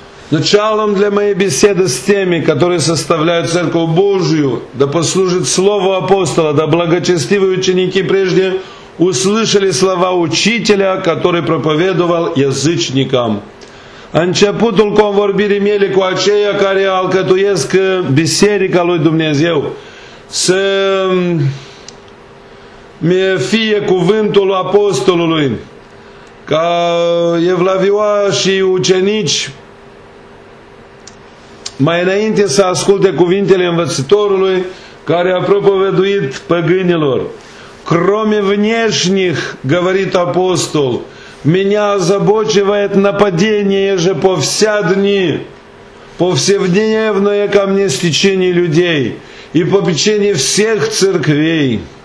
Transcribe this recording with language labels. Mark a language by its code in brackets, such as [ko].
[ru] Началом для моей беседы с теми, которые составляют Церковь Божию, да послужит слово апостола, да благочестивые ученики прежде услышали слова учителя, который проповедовал язычникам. [ro] Începutul convorbirii mele cu aceia care alcătuiesc biserica lui Dumnezeu, să mie fie cuvântul apostolului, ca evlavioașii ucenici, mai înainte să asculte cuvintele învățătorului care a propovăduit păgânilor. [ru] Кроме внешних, говорит апостол, меня озабочивает нападение же по вся дни, повседневное ко мне стечение людей и попечение всех церквей.